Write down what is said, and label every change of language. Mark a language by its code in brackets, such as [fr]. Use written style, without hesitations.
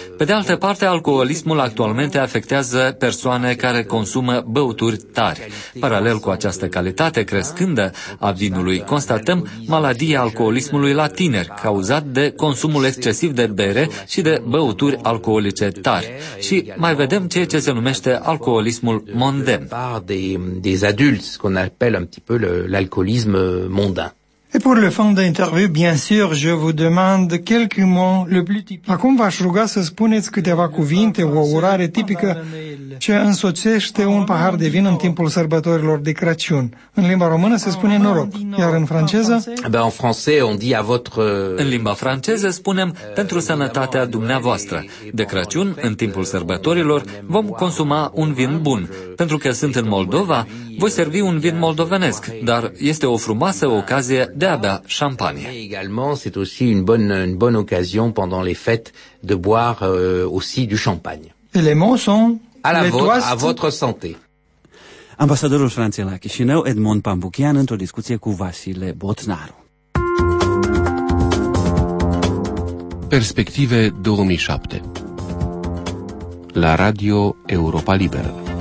[ro] Pe de altă parte, alcoolismul actualmente afectează persoane care consumă băuturi tari. Paralel cu această calitate crescândă a vinului, constatăm maladia alcoolismului la tineri, cauzat de consumul excesiv de bere și de băuturi alcoolice tari. Și mai vedem ceea ce se numește alcoolismul mondain. [fr] Des adultes, ce qu'on appelle un petit peu l'alcoolisme mondain. Et pour le fond d'interview, bien sûr, je vous demande quelques mots le plus typique. [ro] Acum v-aș ruga să spuneți câteva cuvinte, o urare tipică ce însoțește un pahar de vin în timpul sărbătorilor de Crăciun. În limba română se spune noroc, iar în franceză? [fr] En français, on dit à votre... [ro] În limba franceză spunem pentru sănătatea dumneavoastră. De Crăciun, în timpul sărbătorilor, vom consuma un vin bun. Pentru că sunt în Moldova, voi servi un vin moldovenesc, dar este o frumoasă ocazie de a bea șampanie. [fr] Également, c'est aussi une bonne occasion pendant les fêtes de boire aussi du champagne. Et les mots sont à votre santé. [ro] Ambasadorul Franței la Chișinău, Edmond Pambuchian, într-o discuție cu Vasile Botnaru. Perspective 2007. La Radio Europa Liberă.